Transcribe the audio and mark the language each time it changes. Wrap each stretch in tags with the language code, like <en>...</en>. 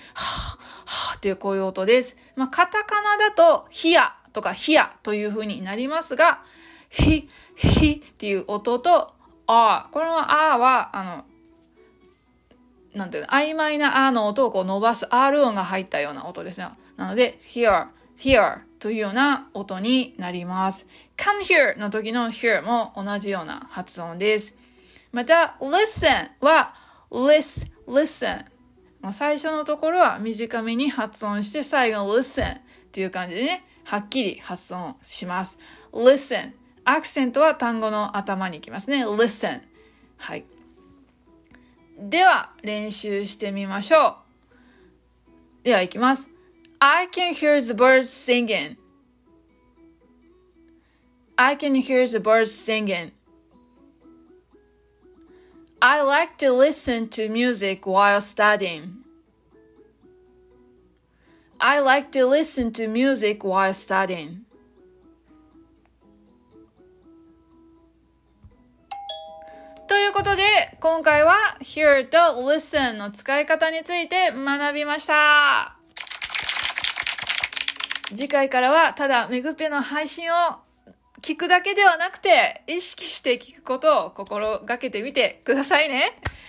<ja>はぁ、はぁっていうこういう音です。まあ、カタカナだと、ヒアとかヒアという風になりますが、ヒ、ヒっていう音と、あぁ、このあぁは、なんていうの、曖昧なあぁの音をこう伸ばす R 音が入ったような音ですね。なので、hear, hear というような音になります。 Can hear の時の hear も同じような発音です。また、listen は listen。最初のところは短めに発音して、最後 listen っていう感じでね、はっきり発音します。 listen。アクセントは単語の頭にきますね。listen。はい。では練習してみましょう。ではいきます。</ja> <en>I can hear the birds singing. I can hear the birds singing. I like to listen to music while studying. I like to listen to music while studying.</en> <ja>ということで、今回は hear と listen の使い方について学びました。次回からはただめぐぺの配信を聞くだけではなくて、意識して聞くことを心がけてみてくださいね。</ja>